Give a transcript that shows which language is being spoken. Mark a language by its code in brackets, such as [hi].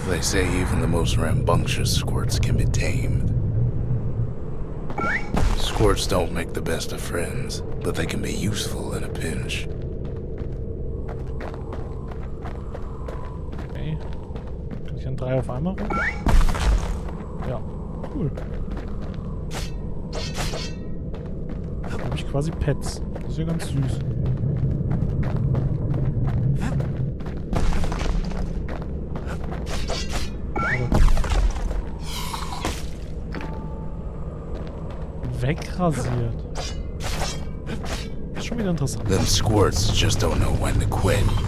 [en] They say even the most rambunctious squirts can be tamed. Squirts don't make the best of friends, but they can be useful in a pinch. Okay. [de] Kann ich dann drei auf einmal rufen? Ja. Cool. Quasi Pets. Das ist ja ganz süß. Also. Wegrasiert. Das ist schon wieder interessant. [en] Them squirts just don't know when to quit.